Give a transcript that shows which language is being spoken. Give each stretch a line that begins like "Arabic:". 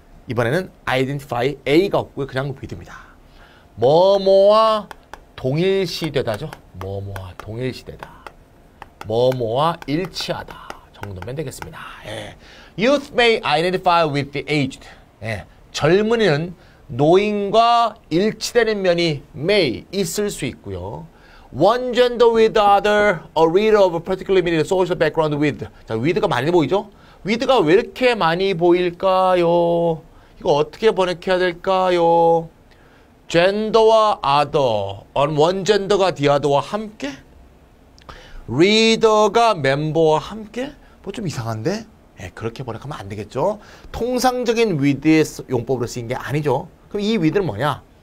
Korean: 이번에는 identify A가 없고요. 그냥 B입니다. 뭐뭐와 동일시되다죠. 뭐뭐와 동일시되다. 뭐뭐와 일치하다 정도면 되겠습니다.
English: 예. youth may identify with the aged. 예.
Korean: 젊은이는 노인과 일치되는 면이 may 있을 수 있고요.
English: One gender with the other, a reader of a particularly limited social background with.
Korean: 자, with가 많이 보이죠? with가 왜 이렇게 많이 보일까요? 이거 어떻게 번역해야 될까요? gender와 other, on one gender가 the other와 함께? reader가 member와 함께? 뭐 좀 이상한데? 예, 그렇게 번역하면 안 되겠죠? 통상적인 with의 용법으로 쓰인 게 아니죠? 그럼 이 with는 뭐냐?